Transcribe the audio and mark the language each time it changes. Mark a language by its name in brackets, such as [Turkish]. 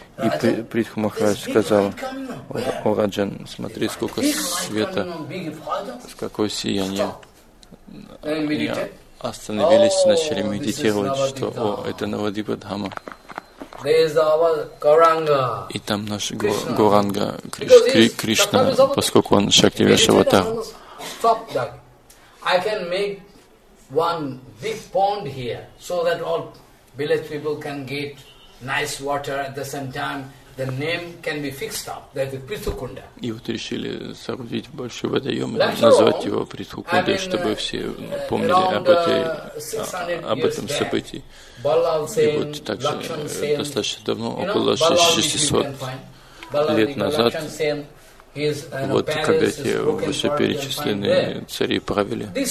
[Russian] И Притху Махарадж сказал: о, Раджан, смотри, сколько света, какое сияние. Они остановились, начали медитировать, что о, это Навадвипа Дхама. И там наш Гауранга Кришна, поскольку он Шакти Вишавадар. [English] Stop that. I can make one big pond here so that all village people can get nice water at the same time. The name can be fixed up. That is Pritthukunda. [Russian] И вот решили соорудить большой водоем и назвать его Притхукунда, чтобы все помнили об этом событии. И вот также достаточно давно, около 600 лет назад, вот когда эти вышеперечисленные цари правили.